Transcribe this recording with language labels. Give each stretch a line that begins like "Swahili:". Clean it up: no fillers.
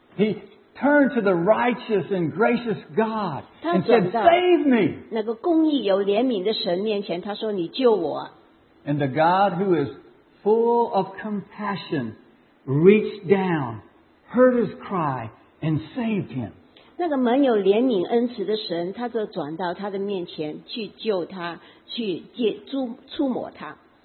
English: He turned to the righteous and gracious God and said, Save me!
Chinese: 那个公义有怜悯的神面前，他说，你救我。
English: And the God who is full of compassion reached down, heard his cry, and saved him.
Chinese: 那个蛮有怜悯恩慈的神，他就转到他的面前去救他，去触摸他。